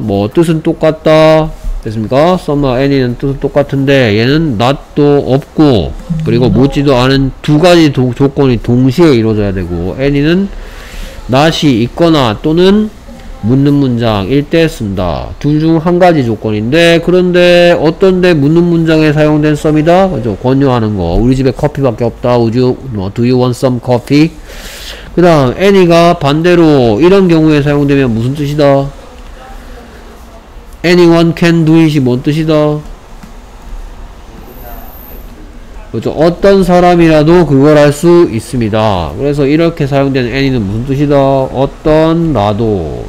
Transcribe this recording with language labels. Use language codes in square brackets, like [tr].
[ko] 뭐 뜻은 똑같다. 됐습니까? some any는 뜻은 똑같은데 얘는 not도 없고 그리고 묻지도 않은 두 가지 조건이 동시에 이루어져야 되고 any는 not이 있거나 또는 묻는 문장일 때 쓴다. 둘 중 한 가지 조건인데 그런데 어떤데 묻는 문장에 사용된 some이다? 그죠? 권유하는 거. 우리 집에 커피밖에 없다. [en] Would you, 뭐, do you want some coffee? [ko] 그 다음 any가 반대로 이런 경우에 사용되면 무슨 뜻이다? [en] anyone can do it [ko] 이 뭔 뜻이다? 그렇죠. 어떤 사람이라도 그걸 할 수 있습니다. 그래서 이렇게 사용되는 any는 무슨 뜻이다? 어떤 나도.